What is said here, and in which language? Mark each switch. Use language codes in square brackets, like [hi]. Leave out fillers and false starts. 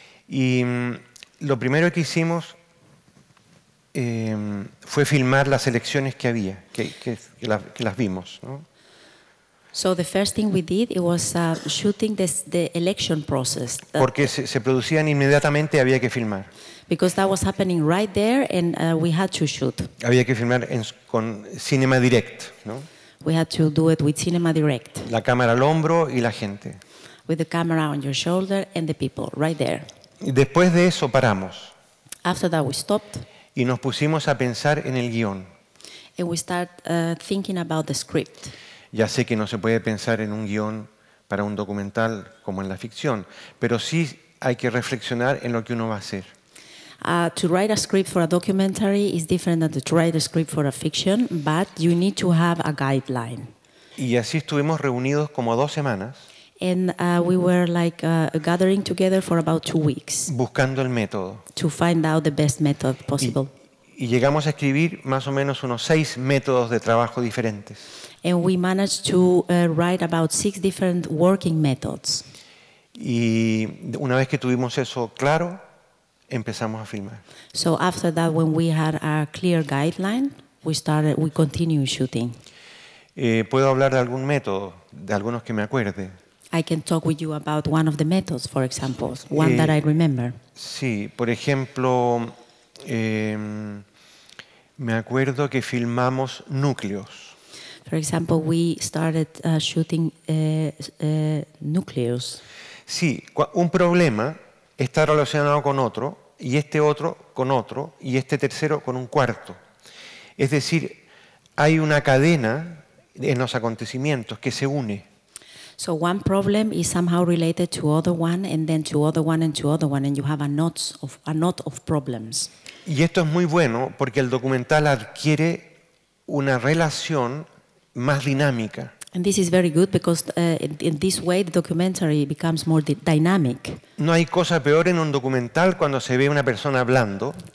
[es] Y lo primero que hicimos fue filmar las elecciones que había, que las vimos, ¿no? [en] So the first thing we did it was shooting the election process. [es] Porque se producían inmediatamente, había que filmar. [en] Because that was happening right there and we had to shoot. [es] Había que filmar con Cinema Direct, ¿no? [en] We had to do it with Cinema Direct. [es] La cámara al hombro y la gente. [en] With the camera on your shoulder and the people right there. [es] Y después de eso paramos. [en] After that we stopped. [es] Y nos pusimos a pensar en el guión. [en] And we start, thinking about the script. [es] Ya sé que no se puede pensar en un guión para un documental como en la ficción, pero sí hay que reflexionar en lo que uno va a hacer. [en] To write a script for a documentary is different than to write a script for a fiction, but you need to have a guideline. [es] Y así estuvimos reunidos como 2 semanas. [en] And we were like gathering together for about 2 weeks. [es] Buscando el método. [en] To find out the best method possible. [es] Y llegamos a escribir más o menos unos 6 métodos de trabajo diferentes. [en] And we managed to write about 6 different working methods. [es] Y una vez que tuvimos eso claro, empezamos a filmar. [en] So after that, when we had a clear guideline, we continued shooting. [es] Puedo hablar de algún método, de algunos que me acuerde. [en] I can talk with you about one of the methods, for example, one that I remember. [es] Sí, por ejemplo, me acuerdo que filmamos núcleos. [en] For example, we started shooting nucleus. [es] Sí, un problema está relacionado con otro, y este otro con otro, y este tercero con un cuarto. Es decir, hay una cadena en los acontecimientos que se une. [en] So one problem is somehow related to other one, and then to other one, and to other one, and you have a knot of problems. [es] Y esto es muy bueno porque el documental adquiere una relación más dinámica. [en] And this is very good because in this way the documentary becomes more dynamic. [es] No hay cosa peor en un documental cuando se ve una persona hablando.